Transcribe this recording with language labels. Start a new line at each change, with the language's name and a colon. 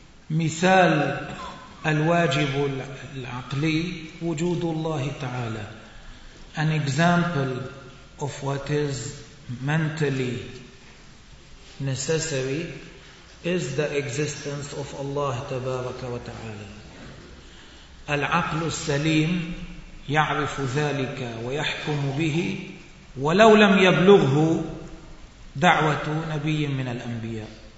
Arabic: مثال الواجب العقلي وجود الله تعالى.
English: An example of what is mentally necessary is the existence of Allah
Arabic: تبارك وتعالى. العقل السليم يعرف ذلك ويحكم به ولو لم يبلغه دعوة نبي من الأنبياء.